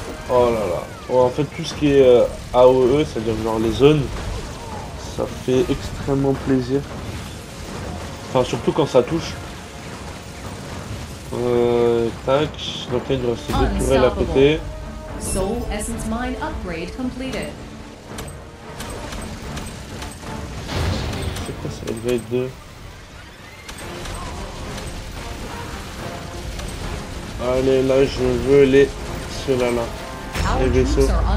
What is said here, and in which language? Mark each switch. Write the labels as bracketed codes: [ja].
[fr] Oh là là. Bon, en fait, tout ce qui est AOE, c'est-à-dire genre les zones, ça fait extrêmement plaisir. Enfin, surtout quand ça touche. Tac, donc là il nous reste deux tourelles à côté. [en] Soul Essence Mine upgrade completed. [fr] C'est quoi ça, il va être deux? Allez, là je veux les ceux-là là. Les vaisseaux.